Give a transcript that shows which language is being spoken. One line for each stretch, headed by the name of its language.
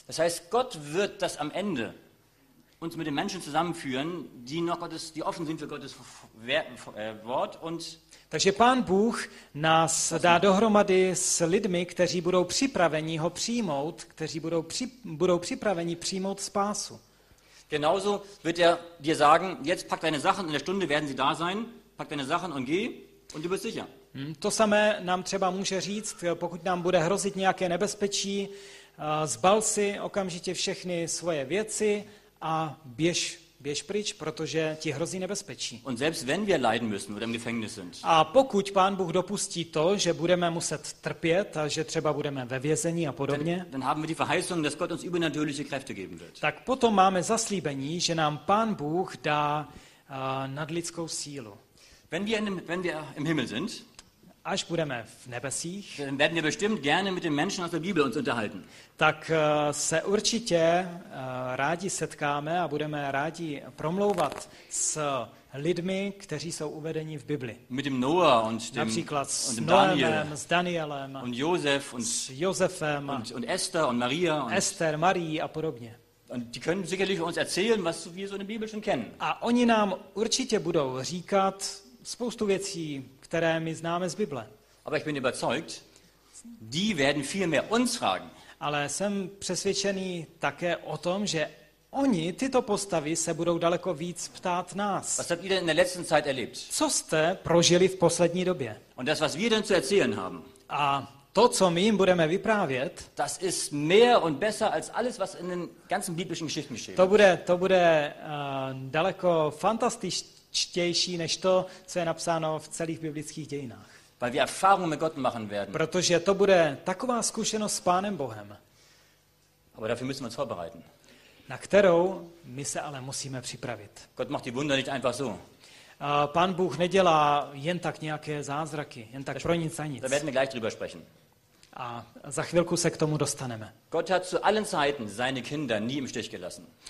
German: Das heißt, Gott wird das am Ende uns mit den Menschen zusammenführen, die noch Gottes, die offen sind für Gottes Wort und.
Czech: Takže Pán Bůh nás dá dohromady s lidmi, kteří budou připraveni ho přijmout, kteří budou připraveni přijmout spásu.
German: Genauso wird er dir sagen, jetzt pack deine Sachen, in der Stunde werden sie da sein, pack deine Sachen und geh und du bist sicher.
Czech: To samé nám třeba může říct, pokud nám bude hrozit nějaké nebezpečí, zbal si okamžitě všechny svoje věci a běž pryč, protože ti hrozí nebezpečí.
German: Und selbst wenn wir leiden müssen oder im Gefängnis sind.
Czech: A pokud Pán Bůh dopustí to, že budeme muset trpět a že třeba budeme ve vězení a podobně,
German: dann haben wir die Verheißung, dass Gott uns übernatürliche Kräfte geben wird.
Czech: Tak potom máme zaslíbení, že nám Pán Bůh dá nadlidskou sílu.
German: Wenn wir im Himmel sind,
Czech: až budeme v nebesích,
German: dann werden wir bestimmt gerne mit den Menschen aus der Bibel uns unterhalten.
Czech: Tak se určitě rádi setkáme a budeme rádi promlouvat s lidmi, kteří jsou uvedeni v Bibli.
German: Mit dem Noah und dem,
Czech: například
German: und
Czech: s Noemem, s Danielem,
German: und Josef und,
Czech: s Josefem,
German: und Esther und Maria und
Czech: Esther, Marie a podobně.
German: Und die können sicherlich uns erzählen, was wir so in der Bibel schon kennen.
Czech: A oni nám určitě budou říkat spoustu věcí, které my známe z Bible.
German: Aber ich bin überzeugt, die werden viel mehr uns fragen.
Czech: Ale jsem přesvědčený také o tom, že oni, tyto postavy, se budou daleko víc ptát nás.
German: Was habt ihr denn in der letzten Zeit erlebt?
Czech: Co jste prožili v poslední době?
German: Und das, was wir denn zu erzählen haben.
Czech: A to, co my jim budeme vyprávět,
German: das ist mehr und besser als alles, was in den ganzen biblischen Geschichten steht.
Czech: To bude daleko fantastičtější, čtější než to, co je napsáno v celých biblických dějinách.
German: Weil wir Erfahrungen mit Gott machen werden.
Czech: Protože to bude taková zkušenost s Pánem Bohem.
German: Aber dafür müssen wir uns vorbereiten.
Czech: Na kterou my se ale musíme připravit.
German: Gott macht die Wunder nicht einfach so.
Czech: Pán Bůh nedělá jen tak nějaké zázraky, jen tak pro nic a nic.
German: Da werden wir gleich drüber sprechen.
Czech: A za chvilku se k tomu dostaneme.
German: Gott hat zu allen Zeiten seine Kinder nie im Stich gelassen.